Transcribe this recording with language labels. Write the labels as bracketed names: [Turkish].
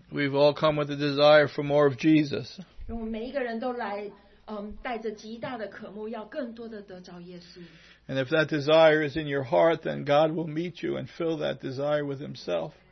[English] We've all come with a desire for more of Jesus. [Chinese] 我们每一个人都来。带着极大的渴慕，要更多的得着耶稣。 [English] And if that desire is in your heart, then God will meet you and fill that desire with Himself.